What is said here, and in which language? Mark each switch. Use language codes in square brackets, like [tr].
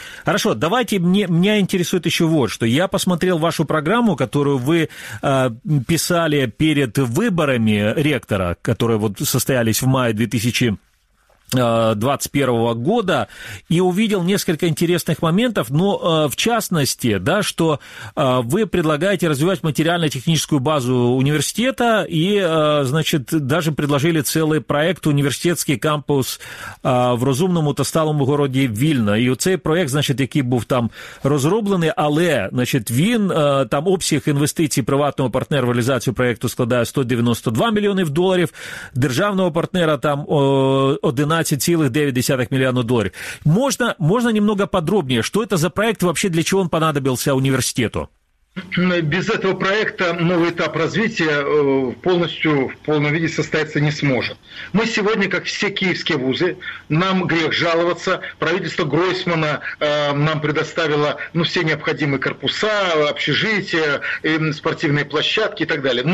[ru] Хорошо, давайте, меня интересует еще вот что. Я посмотрел вашу программу, которую вы писали перед выборами ректора, которые вот состоялись в мае 2021 года, и увидел несколько интересных моментов, но в частности, да, что вы предлагаете развивать материально-техническую базу университета и, значит, даже предложили целый проект «Университетский кампус [uk] в розумному та сталому [ru] городе Вільно». [uk] И цей проект, [ru] значит, [uk] який був там розроблений, але, значит, він, там обсяг інвестицій приватного партнера в реалізацію проекту складає 192 мільйони доларів, державного партнера там 11,9 [ru] миллиона долларов. Можно немного подробнее, что это за проект, вообще для чего он понадобился университету? Без этого проекта новый этап развития полностью в полном виде состояться не сможет. Мы сегодня, как все киевские вузы, нам грех жаловаться. Правительство Гройсмана нам предоставило все необходимые корпуса, общежития, спортивные площадки и так далее.